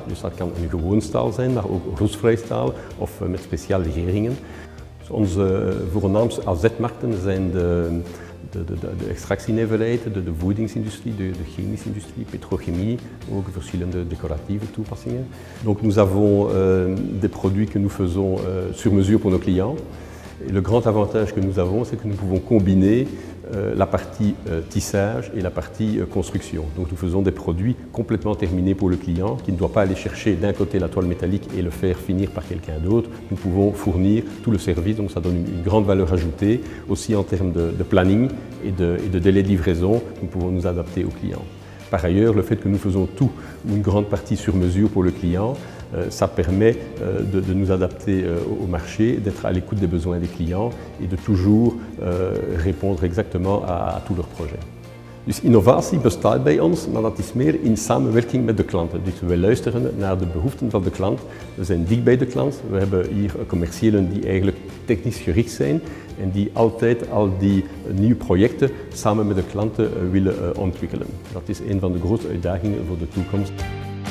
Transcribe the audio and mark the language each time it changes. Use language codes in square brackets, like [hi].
[nl] Dus dat kan een gewoon staal zijn, maar ook roestvrij staal of met speciale legeringen. Dus onze voornaamste AZ-markten zijn de extractienijverheid, de voedingsindustrie, de chemische industrie, petrochemie, ook verschillende decoratieve toepassingen. [fr] Donc nous avons des produits que nous faisons sur mesure pour nos clients. Et le grand avantage que nous avons, c'est que nous pouvons combiner la partie tissage et la partie construction. Donc nous faisons des produits complètement terminés pour le client, qui ne doit pas aller chercher d'un côté la toile métallique et le faire finir par quelqu'un d'autre. Nous pouvons fournir tout le service, donc ça donne une grande valeur ajoutée, aussi en termes de planning et de délai de livraison, nous pouvons nous adapter au client. Par ailleurs, le fait que nous faisons tout ou une grande partie sur mesure pour le client, ça permet de nous adapter au marché, d'être à l'écoute des besoins des clients et de toujours répondre exactement à tous leurs projets. [nl] Dus innovatie bestaat bij ons, maar dat is meer in samenwerking met de klanten. Dus we luisteren naar de behoeften van de klant. We zijn dicht bij de klant. We hebben hier commerciëlen die eigenlijk technisch gericht zijn en die altijd al die nieuwe projecten samen met de klanten willen ontwikkelen. Dat is een van de grote uitdagingen voor de toekomst.